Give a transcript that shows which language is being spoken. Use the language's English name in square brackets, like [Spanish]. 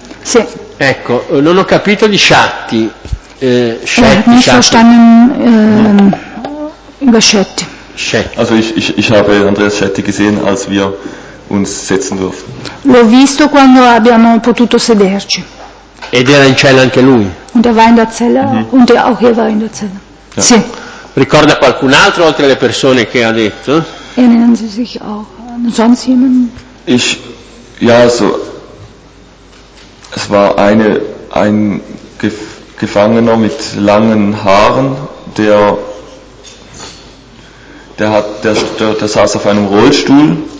[Italian] Sì. Ecco, non ho capito di Schatti. Schatti. [German] Also ich habe Andreas Schatti gesehen, als wir uns setzen durften. [Italian] L'ho visto quando abbiamo potuto sederci. Ed era in cella anche lui. [German] Und er war in der Zelle. Mm-hmm. Und auch er war in der Zelle. Ja. [Italian] Sì. Ricorda qualcun altro oltre alle persone che ha detto? [German] Erinnern Sie sich auch sonst jemand? Es war ein Gefangener mit langen Haaren, der saß auf einem Rollstuhl.